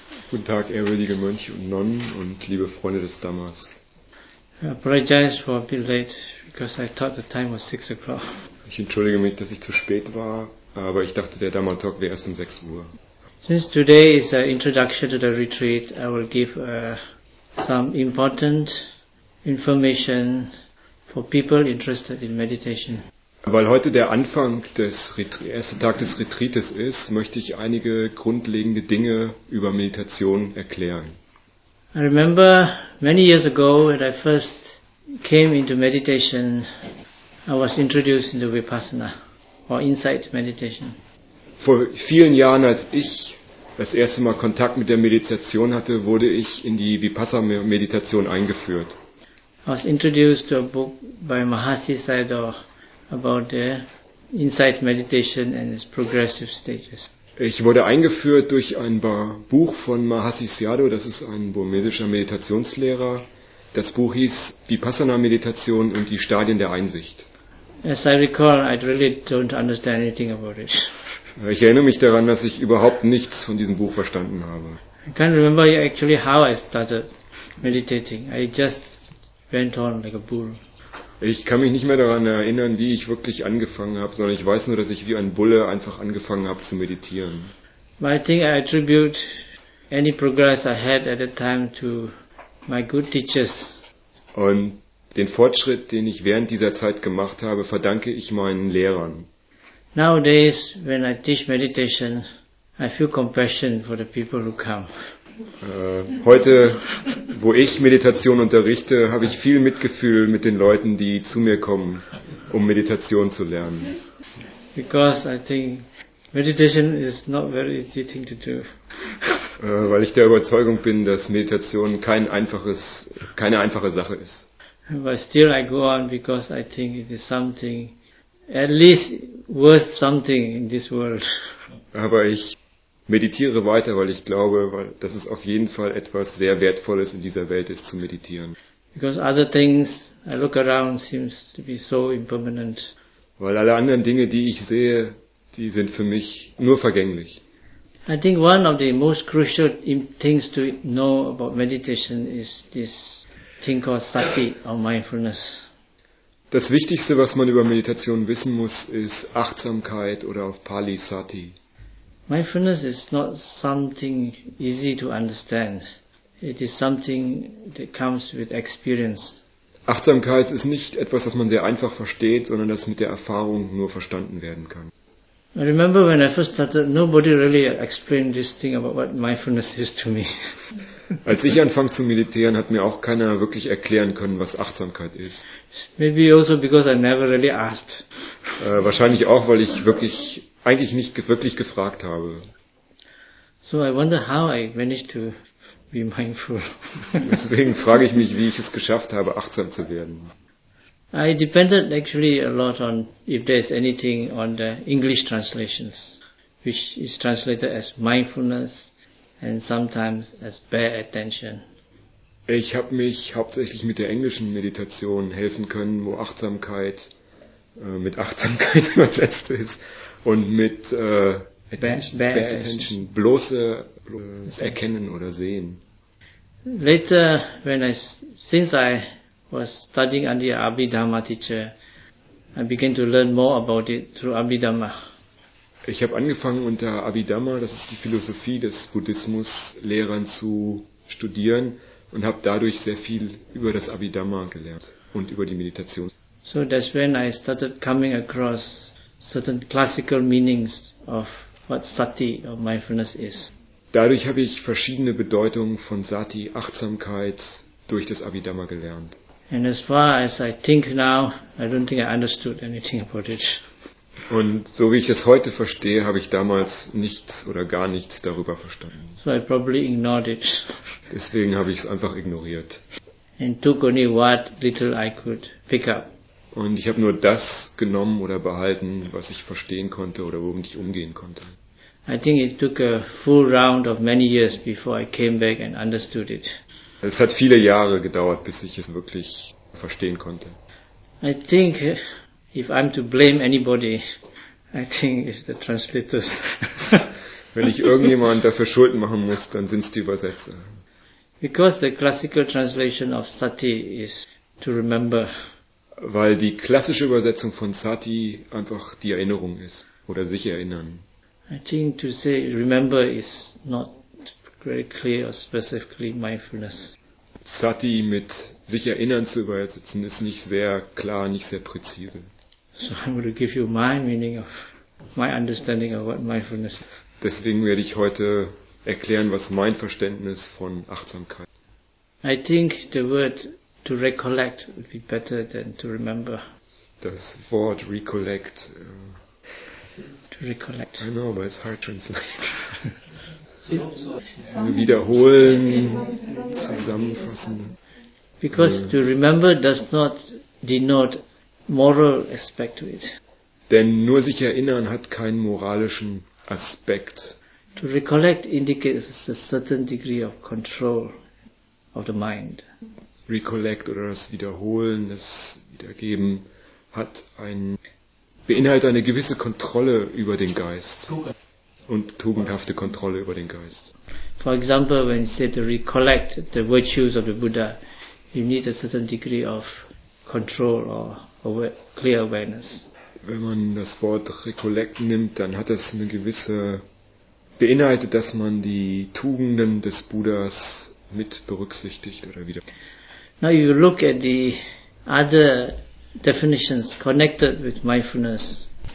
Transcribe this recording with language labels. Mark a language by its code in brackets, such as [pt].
[de] Guten Tag, ehrwürdige Mönche und Nonnen und liebe Freunde des Dhammas. [en] I apologize for a bit late because I thought the time was 6 o'clock. [de] Ich entschuldige mich, dass ich zu spät war, aber ich dachte, der Dhamma Talk wäre erst um 6 Uhr. [en] Since today is an introduction to the retreat, I will give some important information for people interested in meditation. [de] Weil heute der Anfang des erste Tag des Retreates ist, möchte ich einige grundlegende Dinge über Meditation erklären. [en] I remember many years ago when I first came into meditation, I was introduced into Vipassana or insight meditation. [de] Vor vielen Jahren, als ich das erste Mal Kontakt mit der Meditation hatte, wurde ich in die Vipassana-Meditation eingeführt. [en] I was introduced to a book by Mahasi Sayadaw about the insight meditation and its progressive stages. [de] Ich wurde eingeführt durch ein Buch von Mahasi Sayadaw, das ist ein burmesischer Meditationslehrer. Das Buch hieß Vipassana Meditation und die Stadien der Einsicht. [en] As I recall, I really don't understand anything about it. [de] Ich erinnere mich daran, dass ich überhaupt nichts von diesem Buch verstanden habe. [en] I can't remember actually how I started meditating. I just went on like a bull. [de] Ich kann mich nicht mehr daran erinnern, wie ich wirklich angefangen habe, sondern ich weiß nur, dass ich wie ein Bulle einfach angefangen habe zu meditieren. [en] I think I attribute any progress I had at that time to my good teachers. [de] Und den Fortschritt, den ich während dieser Zeit gemacht habe, verdanke ich meinen Lehrern. [en] Nowadays, when I teach meditation, I feel compassion for the people who come. [de] Heute, wo ich Meditation unterrichte, habe ich viel Mitgefühl mit den Leuten, die zu mir kommen, um Meditation zu lernen. [en] Because I think meditation is not very easy thing to do. [de] Weil ich der Überzeugung bin, dass Meditation keine einfache Sache ist. [en] But still I go on because I think it is something at least worth something in this world. [de] Aber ich meditiere weiter, weil ich glaube, dass es auf jeden Fall etwas sehr Wertvolles in dieser Welt ist, zu meditieren. [en] Because other things I look around seems to be so impermanent. [de] Weil alle anderen Dinge, die ich sehe, die sind für mich nur vergänglich. [en] I think one of the most crucial things to know about meditation is this thing called sati or mindfulness. [de] Das Wichtigste, was man über Meditation wissen muss, ist Achtsamkeit oder auf Pali sati. [en] Mindfulness is not something easy to understand. It is something that comes with experience. [de] Achtsamkeit ist nicht etwas, das man sehr einfach versteht, sondern das mit der Erfahrung nur verstanden werden kann. [en] I remember when I first started, nobody really explained this thing about what mindfulness is to me. [de] Als ich anfing zu meditieren, hat mir auch keiner wirklich erklären können, was Achtsamkeit ist. [en] Maybe also because I never really asked. [de] Wahrscheinlich auch, weil ich eigentlich nicht wirklich gefragt habe. [en] So I wonder how I managed to be mindful. [de] Deswegen frage ich mich, wie ich es geschafft habe, achtsam zu werden. [en] I depended actually a lot on if there is anything on the English translations, which is translated as mindfulness and sometimes as bare attention. [de] Ich habe mich hauptsächlich mit der englischen Meditation helfen können, wo Achtsamkeit mit Achtsamkeit übersetzt ist. Und mit [en] Attention, [de] bloße Erkennen oder Sehen. [en] Later, since I was studying under the Abhidhamma teacher, I began to learn more about it through Abhidhamma. [de] Ich habe angefangen unter Abhidhamma, das ist die Philosophie des Buddhismus, Lehrern zu studieren und habe dadurch sehr viel über das Abhidhamma gelernt und über die Meditation. [en] So that's when I started coming across certain classical meanings of what sati or mindfulness is. [de] Dadurch habe ich verschiedene Bedeutungen von sati, Achtsamkeit, durch das Abhidhamma gelernt. [en] And as far as I think now, I don't think I understood anything about it. [de] Und so wie ich es heute verstehe, habe ich damals nichts oder gar nichts darüber verstanden. [en] So I probably ignored it. [de] Deswegen habe ich es einfach ignoriert. [en] And took only what little I could pick up. [de] Und ich habe nur das genommen oder behalten, was ich verstehen konnte oder womit ich umgehen konnte. [en] I think it took a full round of many years before I came back and understood it. [de] Es hat viele Jahre gedauert, bis ich es wirklich verstehen konnte. [en] I think if I'm to blame anybody, I think it's the translators. [de] Wenn ich irgendjemand dafür Schulden machen muss, dann sind's die Übersetzer. [en] Because the classical translation of sati is to remember. [de] Weil die klassische Übersetzung von sati einfach die Erinnerung ist oder sich erinnern. [en] I think to say remember is not very clear or specifically mindfulness. [de] Sati mit sich erinnern zu übersetzen ist nicht sehr klar, nicht sehr präzise. [en] So I'm going to give you my meaning of my understanding of what mindfulness is. [de] Deswegen werde ich heute erklären, was mein Verständnis von Achtsamkeit. [en] I think the word to recollect would be better than to remember. [de] Das Wort recollect. [en] To recollect. I know, but it's hard to translate. [de] Wiederholen, zusammenfassen. [en] Because to remember does not denote moral aspect to it. [de] Denn nur sich erinnern hat keinen moralischen Aspekt. [en] To recollect indicates a certain degree of control of the mind. [de] Recollect oder das Wiederholen, das Wiedergeben hat ein beinhaltet eine gewisse Kontrolle über den Geist und tugendhafte Kontrolle über den Geist. [en] For example, when you say to recollect the virtues of the Buddha, you need a certain degree of control or clear awareness. [de] Wenn man das Wort recollect nimmt, dann hat das eine gewisse beinhaltet, dass man die Tugenden des Buddhas mit berücksichtigt oder wieder. [en] Now you look at the other definitions connected with mindfulness.